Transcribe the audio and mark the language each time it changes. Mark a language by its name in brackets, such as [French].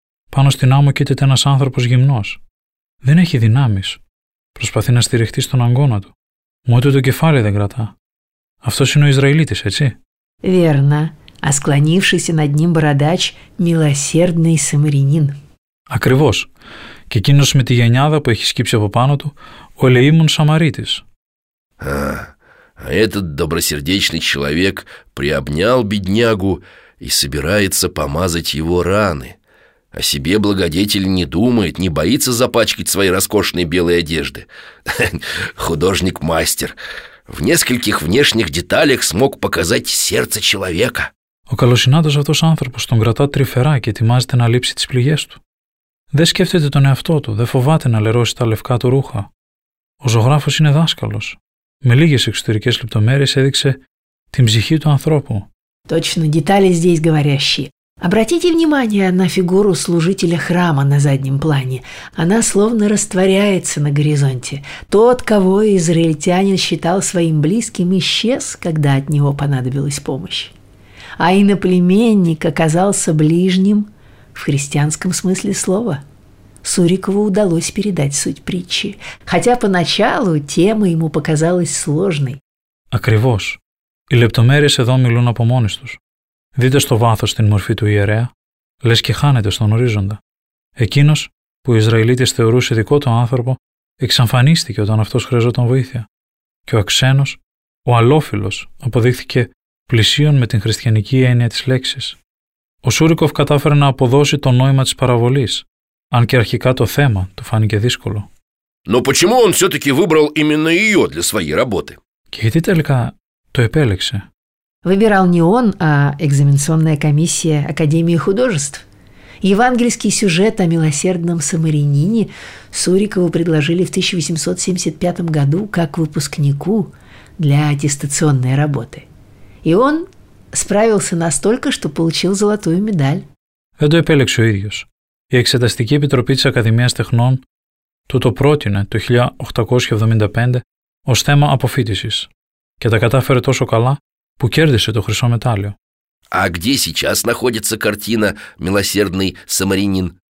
[Greek] Πάνω στην άμμο κοίταται ένας άνθρωπος γυμνός. Δεν έχει δυνάμεις. Προσπαθεί να στηριχτεί στον αγκώνα του. Μου ούτε το κεφάλι δεν κρατά. Αυτός είναι ο Ισραηλίτης, έτσι? [Russian] Верно. А склонившийся над ним бородач – милосердный самарянин. [Greek] Ακριβώς. Και εκείνος με τη γενιάδα που έχει σκύψει από πάνω του, ο Ελεήμων Σαμαρίτης. [Russian] А этот добросердечный человек приобнял беднягу и собирается помазать его раны. О себе благодетель не думает, не боится запачкать свои роскошные белые одежды. Художник-мастер. В нескольких внешних деталях смог показать сердце человека. [Greek] Ο καλοσυνάτος αυτός άνθρωπος τον κρατά τρυφερά και ετοιμάζεται να λείψει τις πληγές του. Δεν σκέφτεται τον εαυτό του, δεν φοβάται να λερώσει τα λευκά του ρούχα. Ο ζωγράφος είναι δάσκαλος. Με λίγες εξωτερικές λεπτομέρειες έδειξε την ψυχή του ανθρώπου. [Russian] Точно, детали здесь говорящие. Обратите внимание на фигуру служителя храма на заднем плане. Она словно растворяется на горизонте. Тот, кого израильтянин считал своим близким, исчез, когда от него понадобилась помощь. А иноплеменник оказался ближним в христианском смысле слова. Сурикову удалось передать суть притчи, хотя поначалу тема ему показалась сложной. [Greek] Акривос. И лептомерии седо милуна по монистус. Δείτε στο βάθος την μορφή του ιερέα, λες και χάνεται στον ορίζοντα. Εκείνος που ο Ισραηλίτης θεωρούσε δικό του άνθρωπο, εξαφανίστηκε όταν αυτός χρειαζόταν βοήθεια. Και ο ξένος, ο αλόφιλος, αποδείχθηκε πλησίον με την χριστιανική έννοια της λέξης. Ο Σούρικοφ κατάφερε να αποδώσει το νόημα της παραβολής, αν και αρχικά το θέμα του φάνηκε δύσκολο. [Russian] Но почему он все-таки выбрал именно ее для своей работы? [Greek] Και γιατί τελικά το επέλεξε? [Russian] Выбирал не он, а экзаменационная комиссия Академии художеств. Евангельский сюжет о милосердном самарянине Сурикову предложили в 1875 году как выпускнику для аттестационной работы. И он справился настолько, что получил золотую медаль. [Greek] Δεν το επέλεξε ο ίδιος. Η Εξεταστική Επιτροπή της Ακαδημίας Τεχνών του το πρότεινε το 1875 ως θέμα αποφύτησης και τα κατάφερε τόσο καλά, που κέρδισε το χρυσό μετάλλιο. [Russian] А где сейчас находится картина «Милосердный самарянин»?